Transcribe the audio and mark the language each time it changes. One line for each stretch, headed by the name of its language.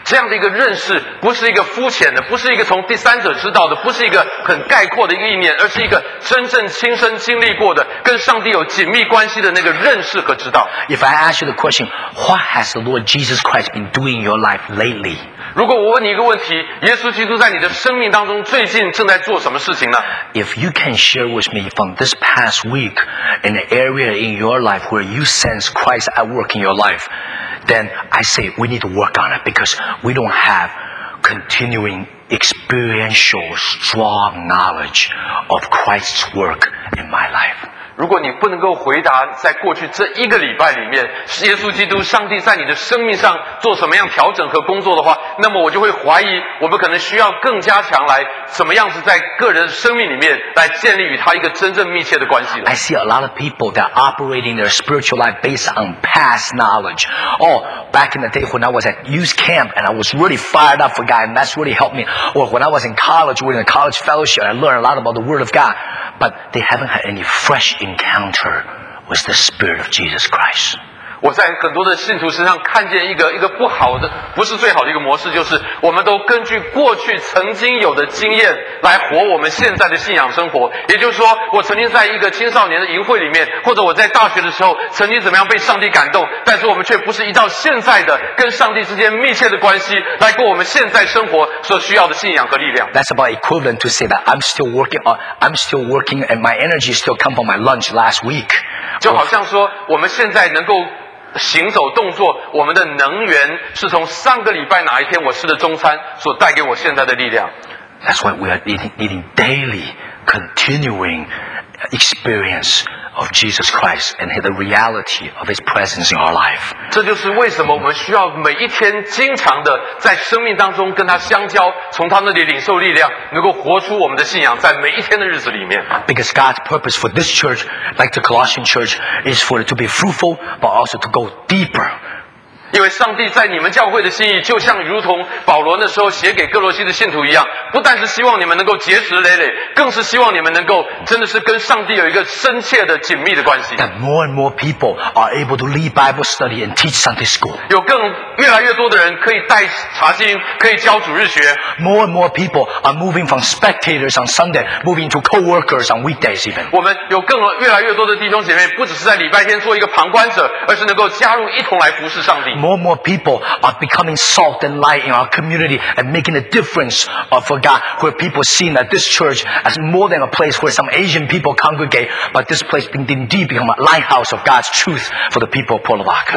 Chinese: 这样的一个认识不是一个肤浅的，不是一个从第三者知道的，不是一个很概括的意念，而是一个真正亲身经历过的，跟上帝有紧密关系的那个认识和知道。
English: If I ask you the question, what has the Lord Jesus Christ been doing in your life? Lately,
Chinese: 如果我问你一个问题，耶稣基督在你的生命当中最近正在做什么事情呢？
English: If you can share with me from this past week an area in your life where you sense Christ at work in your life, then I say we need to work on it because we don't have continuing experiential strong knowledge of Christ's work in my life.
Chinese: 如果你不能够回答在过去这一个礼拜里面耶稣基督上帝在你的生命上做什么样调整和工作的话，那么我就会怀疑我们可能需要更加强来怎么样子在个人生命里面来建立与他一个真正密切的关系。
English: I see a lot of people that are operating their spiritual life based on past knowledge. Oh, back in the day when I was at youth camp and I was really fired up for God and that's really helped me. Or when I was in college, we were in a college fellowship and I learned a lot about the word of God. But they haven't had any freshencounter with the Spirit of Jesus Christ.
Chinese: 我在很多的信徒身上看见一个不好的，不是最好的一个模式，就是我们都根据过去曾经有的经验来活我们现在的信仰生活。也就是说，我曾经在一个青少年的营会里面，或者我在大学的时候曾经怎么样被上帝感动，但是我们却不是依照现在的跟上帝之间密切的关系来过我们现在生活所需要的信仰和力量。
English: That's about equivalent to say that I'm still working, and my energy still come from my lunch last week.
Chinese: 就好像说，我们现在能够行走动作，我们的能源是从上个礼拜哪一天我吃的中餐所带给我现在的力量。
English: That's why we are needing daily continuing experience of Jesus Christ and the reality of His presence in our life.
Chinese: 这就是为什么我们需要每一天经常的在生命当中跟他相交，从他那里领受力量，能够活出我们的信仰在每一天的日子里面。
English: Because God's purpose for this church, like the Colossian church, is for it to be fruitful, but also to go deeper.
Chinese: 因为上帝在你们教会的心意就像如同保罗那时候写给哥罗西的信徒一样，不但是希望你们能够结实累累，更是希望你们能够真的是跟上帝有一个深切的紧密的关系。
English: That more and more people are able to lead Bible study and teach Sunday school.
Chinese: 有更越来越多的人可以带查经，可以教主日学。
English: More and more people are moving from spectators on Sunday, moving to co-workers on weekdays even.
Chinese: 我们有更越来越多的弟兄姐妹不只是在礼拜天做一个旁观者，而是能够加入一同来服侍上帝。
English: More and more people are becoming salt and light in our community and making a difference for God, where people see that this church as more than a place where some Asian people congregate, but this place indeed become a lighthouse of God's truth for the people of Port Lavaca.